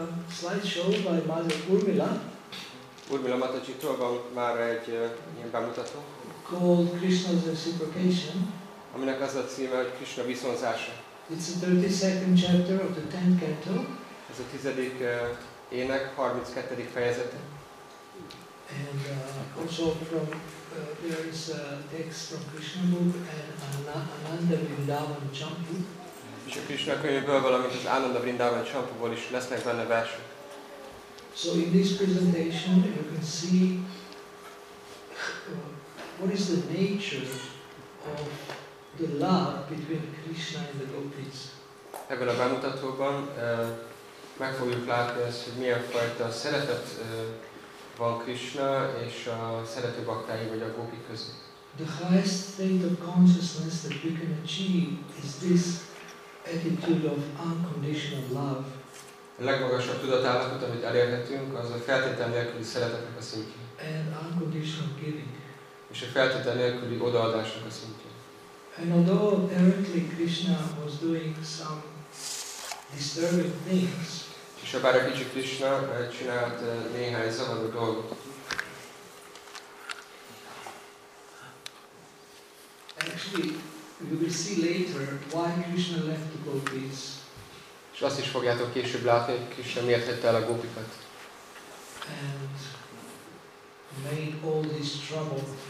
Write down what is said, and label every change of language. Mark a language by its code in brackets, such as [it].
[en] side show by Mother Urmila. [hu] Urmila Matacitra, about már egy ilyen bemutató. [en] Called Krishna's Reciprocation. [hu] Aminek az a címe, hogy Krishna viszonzása. [en] It's the 32nd chapter of the 10th canto. [hu] Ez a tizedik ének, 32. fejezete. [en] And also from there is a text from Krishna book and Ananda Vrindavan Champu. [hu] És a Krishna könyvből, valamint az Ananda Vrindavan Champuból is lesznek benne versek. [en] So in this presentation you can see what is the nature of the love between Krishna and the gopis. [hu] Ebben a bemutatóban meg fogjuk látni ezt, hogy milyen fajta szeretet van Krishna és a szerető baktái vagy a gopik között. [en] The highest state of consciousness that we can achieve is this attitude of unconditional love. [hu] A legmagasabb tudatállapot, amit elérhetünk, az a feltétel nélküli szeretetnek a szintje. [en] And unconditional giving. [hu] És a feltétel nélküli odaadásnak a szintje. [en] And although apparently Krishna was doing some disturbing things. [hu] És a bár a kicsi Krishna csinált néhány zavaró dolgot. [en] Actually, you will see later why Krishna left the gopis. [hu] És azt is fogjátok később látni, hogy Krishna miért hagyta el a gópikat. [en] And made all this trouble.